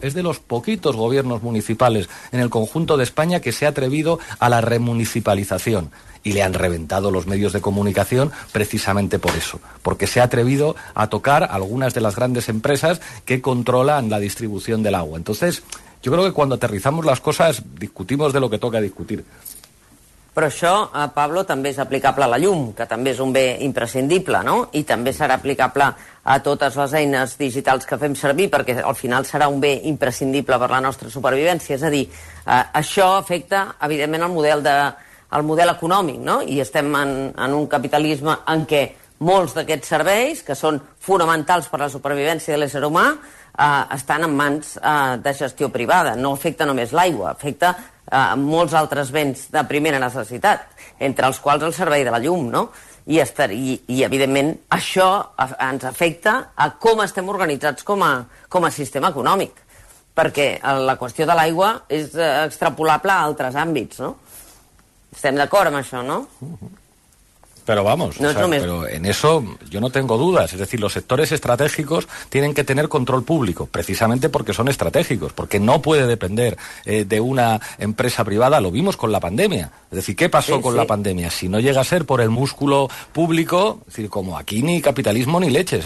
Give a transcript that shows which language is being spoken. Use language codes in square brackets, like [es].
[es] Es de los poquitos gobiernos municipales en el conjunto de España que se ha atrevido a la remunicipalización. Y le han reventado los medios de comunicación precisamente por eso, porque se ha atrevido a tocar algunas de las grandes empresas que controlan la distribución del agua. Entonces, yo creo que cuando aterrizamos las cosas, discutimos de lo que toca discutir. [ca] Però això, Pablo, també és aplicable a la llum, que també és un bé imprescindible, no? I també serà aplicable a totes les eines digitals que fem servir, perquè al final serà un bé imprescindible per la nostra supervivència. És a dir, això afecta, evidentment, el model econòmic, no? I estem en un capitalisme en què molts d'aquests serveis, que són fonamentals per a la supervivència de l'ésser humà, estan en mans de gestió privada. No afecta només l'aigua, afecta molts altres béns de primera necessitat, entre els quals el servei de la llum, no? I evidentment, això ens afecta a com estem organitzats com a sistema econòmic, perquè la qüestió de l'aigua és extrapolable a altres àmbits, no? Estem d'acord amb això, no? [es] Pero vamos, no, o sea, pero en eso yo no tengo dudas. Es decir, los sectores estratégicos tienen que tener control público, precisamente porque son estratégicos, porque no puede depender de una empresa privada. Lo vimos con la pandemia. Es decir, ¿qué pasó con la pandemia? Si no llega a ser por el músculo público, es decir, como aquí ni capitalismo ni leches.